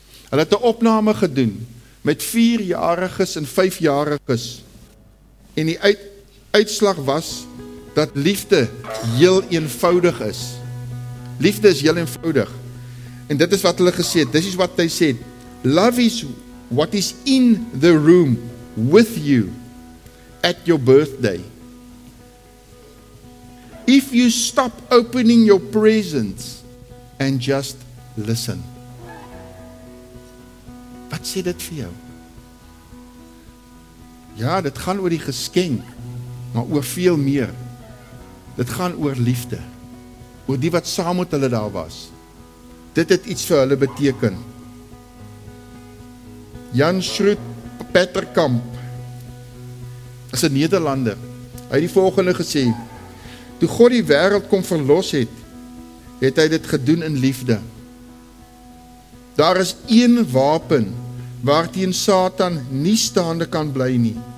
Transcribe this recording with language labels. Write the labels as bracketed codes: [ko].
[af] Hulle het 'n opname gedoen, met 4-jariges en 5-jariges, en die uitslag was, dat liefde heel eenvoudig is. Liefde is heel eenvoudig. En dit is wat hulle gesê het, [en] this is what they said, love is what is in the room with you at your birthday. If you stop opening your presents and just listen. [af] Wat sê dit vir jou? Ja, dit gaan oor die geskenk, maar oor veel meer. Dit gaan oor liefde, oor die wat saam met hulle daar was. Dit het iets vir hulle beteken. Jan Schroet Petterkamp is 'n Nederlander. Hy het die volgende gesê, toe God die wêreld kom verlos het, het hy dit gedoen in liefde. Daar is een wapen waarteen Satan nie staande kan bly nie.